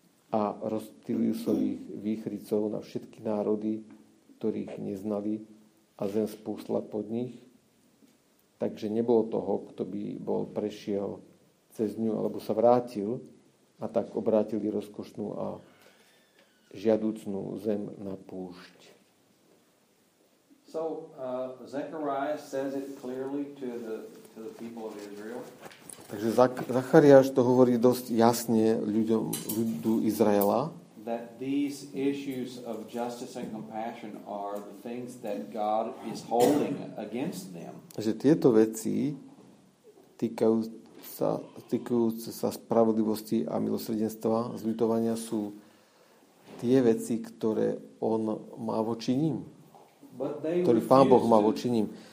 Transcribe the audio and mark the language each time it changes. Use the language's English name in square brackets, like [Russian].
[Slovak] A rozptýlil som ich výchricov na všetky národy, ktorých neznali, a zem spustla pod nich. Takže nebolo toho, kto by bol prešiel cez ňu alebo sa vrátil, a tak obrátili rozkošnú a žiaducnú zem na púšť. [English] So Zechariah says it clearly to the people of Israel. [Slovak] Takže Zachariáš to hovorí dosť jasne ľuďom, ľudu Izraela. [English] That these issues of justice and compassion are the things that God is holding against them. [Slovak] Že tieto veci týkajúce sa spravodlivosti a milosrdenstva, zľutovania sú tie veci, ktoré on má voči ním. Ktorý Pán Boh má voči ním.